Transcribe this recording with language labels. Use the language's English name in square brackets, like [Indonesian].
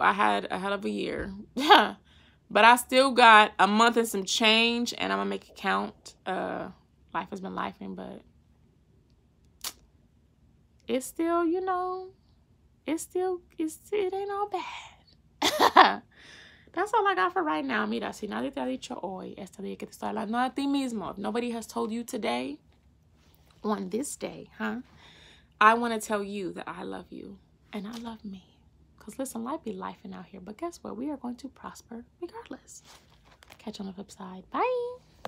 [English] I had a hell of a year. But I still got a month and some change, and I'm going to make it count. Life has been lifing, but it's still, you know, it ain't all bad. That's all I got for right now. [Spanish] Mira, si nadie te ha dicho hoy, este día que te estoy hablando a ti mismo. [English] If nobody has told you today, on this day, huh? I want to tell you that I love you and I love me. Because listen, life be lifing out here. But guess what? We are going to prosper regardless. Catch you on the flip side. Bye.